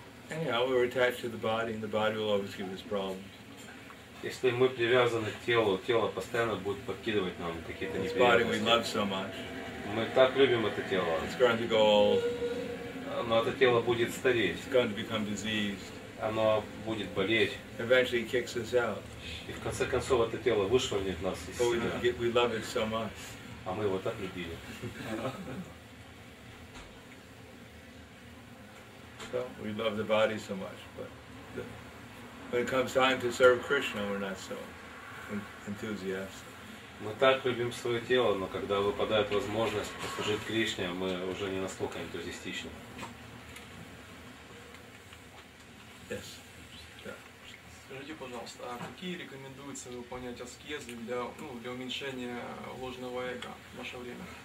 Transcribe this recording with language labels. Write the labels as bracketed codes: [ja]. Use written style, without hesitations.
[en] Anyhow, we're attached to the body, and the body will always give us problems. [ru] Если мы привязаны к телу, тело постоянно будет подкидывать нам какие-то неприятности. Мы так любим это тело. [en] It's going to go old. [ru] Но это тело будет стареть. [en] It's going to become diseased. [ru] Оно будет болеть. [en] Eventually it kicks us out. [ru] И в конце концов это тело вышвырнет нас из себя. [en] But we love it so much. [ru] А мы его так любили. [en] So we love the body so much, when it comes time to serve Krishna, we're not so enthusiastic. [ru] Мы так любим свое тело, но когда выпадает возможность послужить Кришне, мы уже не настолько энтузиастичны. [en] Yes. [ru] Скажите, пожалуйста, а какие рекомендуется выполнять аскезы для, ну, для уменьшения ложного эго в наше время?